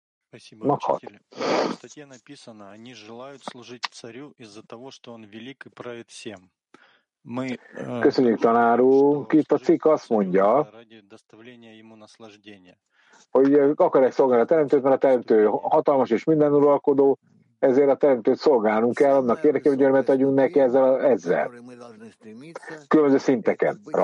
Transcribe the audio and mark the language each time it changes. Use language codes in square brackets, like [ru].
[ru] В статье написано, они желают служить царю из-за того, что он велик и правит всем. [hu] Мы, Köszönjük, tanár úr! Itt a cikk azt mondja, [ru] ради доставления ему наслаждения. [hu] Hogy akarják szolgálni a teremtőt, mert a teremtő hatalmas és minden uralkodó, ezért a teremtőt szolgálnunk kell, annak érdekében, hogy örömet adjunk neki ezzel. Különböző szinteken.